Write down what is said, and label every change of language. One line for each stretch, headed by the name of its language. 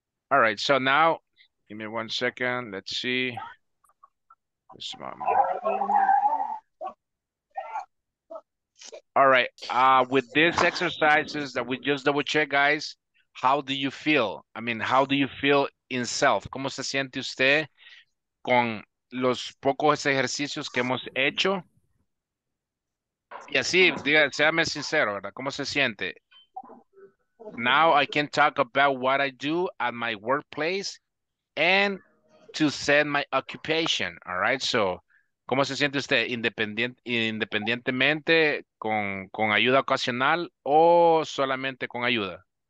English: All right. So now, give me 1 second. Let's see. This moment. All right, with these exercises that we just double check, guys, how do you feel? I mean, how do you feel in self?
Spanish: ¿Cómo se siente usted con los pocos ejercicios que hemos hecho? Y así, diga, séame sincero, ¿verdad? ¿Cómo se siente?
English: Now I can talk about what I do at my workplace and to set my occupation, all right?
Spanish: So, ¿cómo se siente usted? ¿Independientemente con ayuda ocasional o solamente con ayuda?